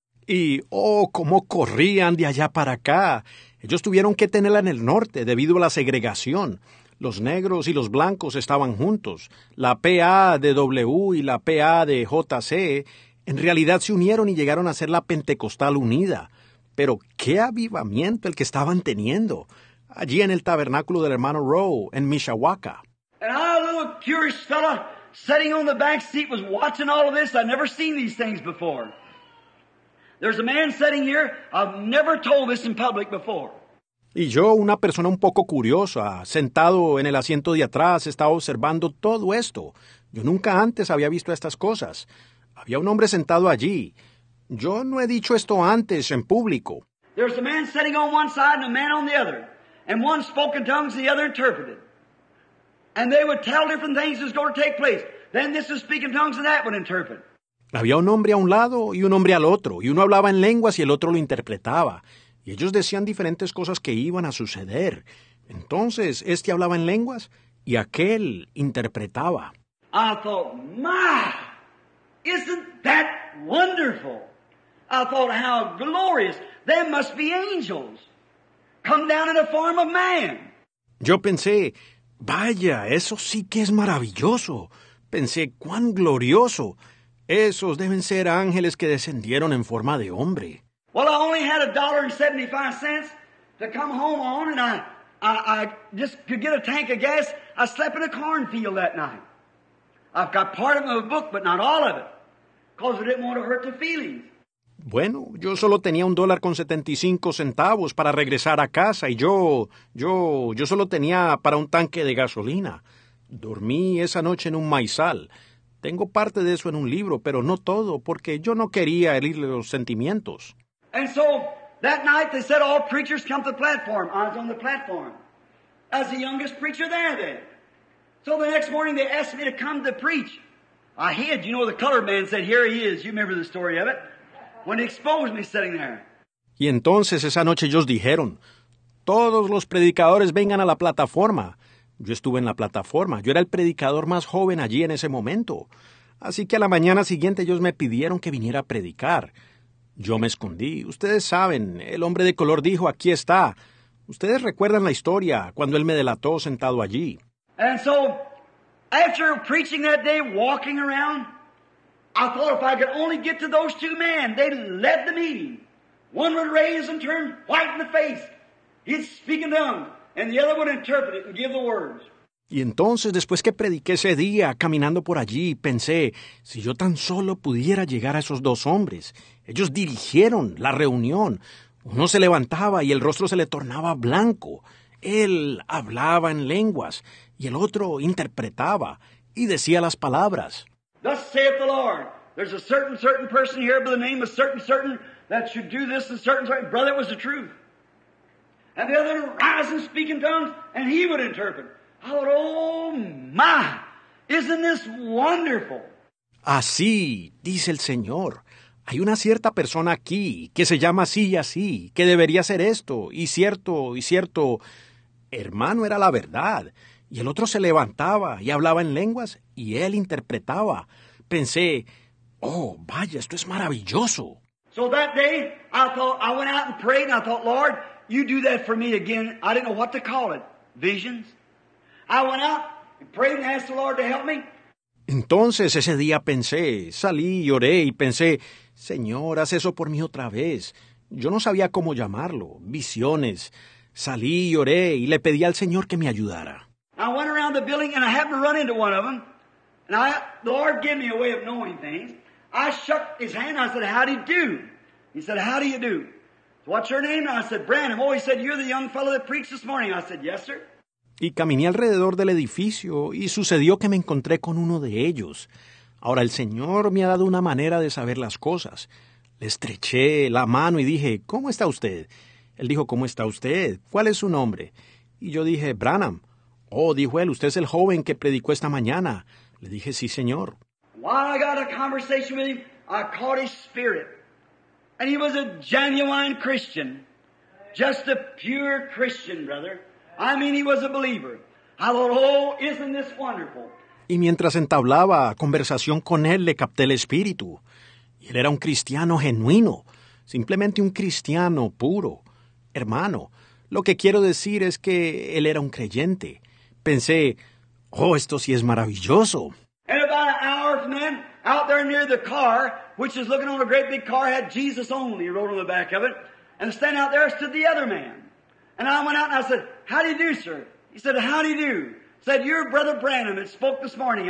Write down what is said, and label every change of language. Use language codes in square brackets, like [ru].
[es] Y, oh, cómo corrían de allá para acá. Ellos tuvieron que tenerla en el norte debido a la segregación. Los negros y los blancos estaban juntos. La PA de W y la PA de JC en realidad se unieron y llegaron a ser la Pentecostal unida. Pero qué avivamiento el que estaban teniendo. Allí en el tabernáculo del hermano Rowe, en Mishawaka. [en] And I, a little curious fella, sitting on the back seat, was watching all of this. I'd never seen these things before. There's a man sitting here, I've never told this in public before. [es] Y yo, una persona un poco curiosa, sentado en el asiento de atrás, estaba observando todo esto. Yo nunca antes había visto estas cosas. Había un hombre sentado allí. Yo no he dicho esto antes en público. [en] There's a man sitting on one side and a man on the other. And one spoke in tongues, the other interpreted. And they would tell different things that's going to take place. Then this would speak in tongues and that would interpret. [es] Había un hombre a un lado y un hombre al otro. Y uno hablaba en lenguas y el otro lo interpretaba. Y ellos decían diferentes cosas que iban a suceder. Entonces, este hablaba en lenguas y aquel interpretaba. [en] I thought, my, isn't that wonderful? I thought, how glorious. There must be angels. Come down in the form of man. [es] Yo pensé, vaya, eso sí que es maravilloso. Pensé, cuán glorioso. Esos deben ser ángeles que descendieron en forma de hombre. [en] Well, I only had $1.75 to come home on, and I I just could get a tank of gas. I slept in a cornfield that night. I've got part of my book, but not all of it, because I didn't want to hurt the feelings. [es] Bueno, yo solo tenía $1.75 para regresar a casa, y yo solo tenía para un tanque de gasolina. Dormí esa noche en un maizal. Tengo parte de eso en un libro, pero no todo, porque yo no quería herirle los sentimientos. [en] And so, that night they said all preachers come to the platform. I was on the platform. As the youngest preacher there then. So the next morning they asked me to come to preach. I hid, you know, the colored man said, here he is. You remember the story of it. When he exposed me sitting there. [es] Y entonces esa noche ellos dijeron, todos los predicadores vengan a la plataforma. Yo estuve en la plataforma. Yo era el predicador más joven allí en ese momento. Así que a la mañana siguiente ellos me pidieron que viniera a predicar. Yo me escondí. Ustedes saben, el hombre de color dijo, aquí está. Ustedes recuerdan la historia cuando él me delató sentado allí. [en] And so, after preaching that day, walking around, I thought if I could only get to those two men, they led the meeting. One would raise and turn white in the face. He'd speak in tongues. And the other one interpreted it and give the words. [es] Y entonces, después que prediqué ese día, caminando por allí, pensé, si yo tan solo pudiera llegar a esos dos hombres. Ellos dirigieron la reunión. Uno se levantaba y el rostro se le tornaba blanco. Él hablaba en lenguas y el otro interpretaba y decía las palabras. [en] Thus saith the Lord. There's a certain person here by the name of certain that should do this and certain. Brother, it was the truth. And the other rise and speak in tongues, and he would interpret. I thought, oh my, isn't this wonderful? [es] Así, dice el Señor, hay una cierta persona aquí que se llama así y así, que debería hacer esto, y cierto, hermano, era la verdad. Y el otro se levantaba y hablaba en lenguas, y él interpretaba. Pensé, oh, vaya, esto es maravilloso. [en] So that day, I went out and prayed, and I thought, Lord, you do that for me again. I didn't know what to call it. Visions. I went out and prayed and asked the Lord to help me. [es] Entonces ese día pensé, salí y oré y pensé, Señor, haz eso por mí otra vez. Yo no sabía cómo llamarlo. Visiones. Salí y oré y le pedí al Señor que me ayudara. [en] I went around the building and I happened to run into one of them. And the Lord gave me a way of knowing things. I shook his hand. I said, how do you do? He said, how do you do? What's your name? And I said, Branham. Oh, he said, you're the young fellow that preached this morning. I said, yes, sir. [es] Y caminé alrededor del edificio y sucedió que me encontré con uno de ellos. Ahora el Señor me ha dado una manera de saber las cosas. Le estreché la mano y dije, ¿cómo está usted? Él dijo, ¿cómo está usted? ¿Cuál es su nombre? Y yo dije, Branham. Oh, dijo él, usted es el joven que predicó esta mañana. Le dije, sí, Señor. [en] While I got a conversation with him, I caught his spirit. And he was a genuine Christian, just a pure Christian, brother. I mean, he was a believer. I thought, oh, isn't this wonderful? [es] Y mientras entablaba conversación con él, le capté el espíritu. Y él era un cristiano genuino, simplemente un cristiano puro. Hermano, lo que quiero decir es que él era un creyente. Pensé, oh, esto sí es maravilloso. [en] And about an hour from then, out there near the car, which is looking on a great big car, had Jesus only wrote on the back of it. And standing out there stood the other man. And I went out and I said, how do you do, sir? He said, how do you do? He said, you're Brother Branham that spoke this morning.